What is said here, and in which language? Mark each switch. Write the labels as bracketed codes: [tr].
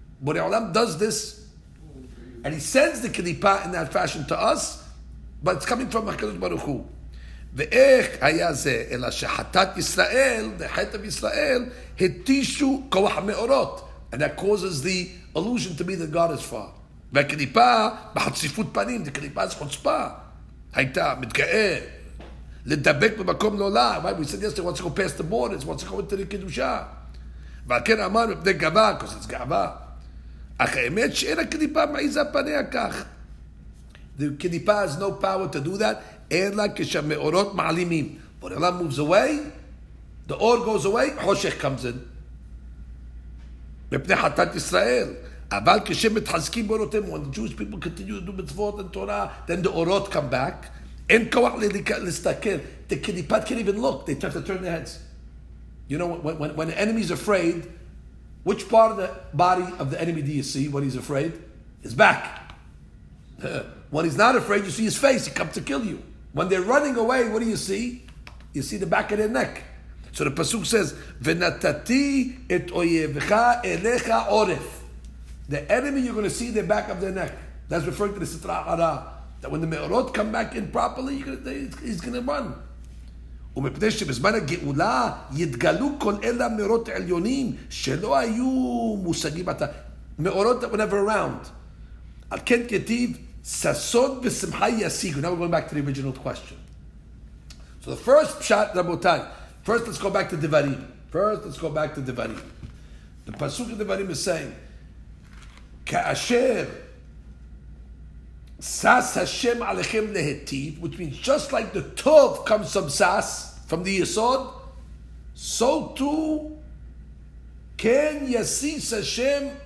[en] Borei Olam does this, and he sends the Kalipa in that fashion to us, but it's coming from HaKadosh Baruch Hu. [he] Ve'ech haya zeh, ela shehatat Yisrael, [en] the Chet of Yisrael, [he] hetishu kovach me'orot. [en] And that causes the illusion to be that God is far. [he] והקליפה בחציפות פנים, זה קליפה זה חוצפה. הייתה מתגאה לדבק במקום לא לה. [en] Why we said yesterday, what's going to pass the borders? What's going to the קדושה? [he] ועל כן אמר, מפני גאווה, [en] because it's גאווה. [he] אך האמת שאין הקליפה מעיזה פניה כך. [en] The קליפה has no power to do that, [he] אלא כשהמאורות מעלימים. [en] But Allah moves away, the aur goes away, חושך comes in. [he] מפני חטאת ישראל. אבל כשהם מתחזקים באורותם, [en] when the Jewish people continue to do מצוות and Torah, then the אורות come back. [he] אין כוח להסתכל. [en] The kidipat can't even look. They have to turn their heads. You know, when the enemy is afraid, which part of the body of the enemy do you see when he's afraid? His back. When he's not afraid, you see his face. He comes to kill you. When they're running away, what do you see? You see the back of their neck. So the Pasuk says, [he] ונתתי את אויבך אליך עורף. [en] The enemy, you're going to see the back of their neck. That's referring to the Sitra Ara. That when the Me'orot come back in properly, he's going to run. [he] ומפני שבזמן הגאולה יתגלו כל אלה מאורות עליונים שלא היו מושגים עתה. [en] Me'orot that were never around. [he] על כן כתיב, ששון ושמחה ישיגו. [en] Now we're going back to the original question. So the first pshat, Rabotai. First, let's go back to Devarim. The Pasuk of Devarim is saying, [he] כאשר סס השם עליכם להטיב, [en] which means just like the טוב comes from סס, from the יסוד, so too [he] כן יסיס השם